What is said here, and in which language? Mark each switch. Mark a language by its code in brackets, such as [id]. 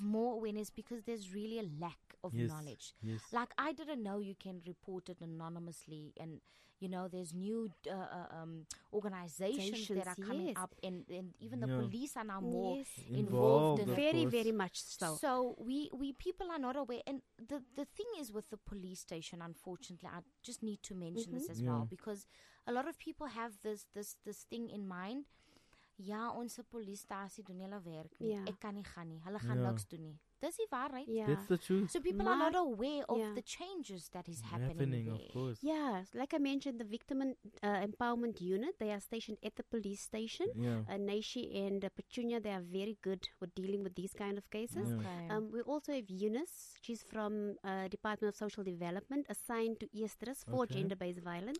[en] more awareness, because there's really a lack of knowledge. Like, I didn't know you can report it anonymously, and you know, there's new organizations that are coming up, and even the police are now more involved. Very much so. So we people are not aware. And the thing is with the police station, unfortunately, I just need to mention this as well, because a lot of people have this thing in mind. [af] Onse police stasie doen hulle werk nie. Ek kan nie gaan nie. Hulle gaan niks doen nie. Dis die waarheid. [en] That's the truth. So people are not aware of the changes that is happening there. Of course. Yeah, like I mentioned, the victim empowerment unit, they are stationed at the police station. Naishi and Petunia, they are very good with dealing with these kind of cases. We also have Eunice. She's from Department of Social Development, assigned to Estrus for gender-based violence.